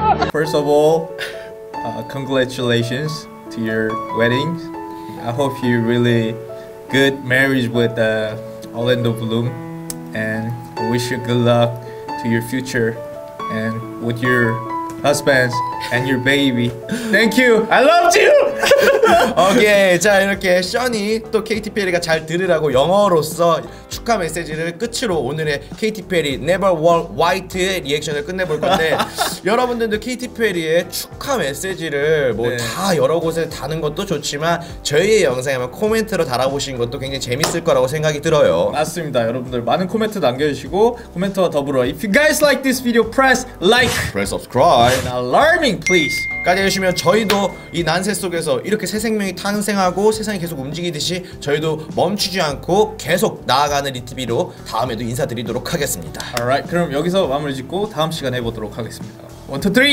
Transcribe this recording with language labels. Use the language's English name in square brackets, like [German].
[English] First of all, congratulations to your wedding. I hope you really good marriage with Orlando Bloom, and I wish you good luck to your future and with your husband and your baby. Thank you. I loved you. [Korean] 오케이 okay, 자 이렇게 션이 또 케이티 페리가 잘 들으라고 영어로써 축하 메시지를 끝으로 오늘의 케이티 페리 Never Won White의 리액션을 끝내볼 건데 여러분들도 케이티 페리의 축하 메시지를 뭐 다 네. 여러 곳에 다는 것도 좋지만 저희의 영상에 코멘트로 달아보신 것도 굉장히 재밌을 거라고 생각이 들어요. 맞습니다 여러분들 많은 코멘트 남겨주시고 코멘트와 더불어 If you guys like this video press like [English] press subscribe and alarming please [Korean] 까지 해주시면 저희도 이 난세 속에서 이렇게 새 생명이 탄생하고 세상이 계속 움직이듯이 저희도 멈추지 않고 계속 나아가는 리티비로 다음에도 인사드리도록 하겠습니다. Alright, 그럼 여기서 마무리 짓고 다음 시간에 해보도록 하겠습니다. 1, 2, 3!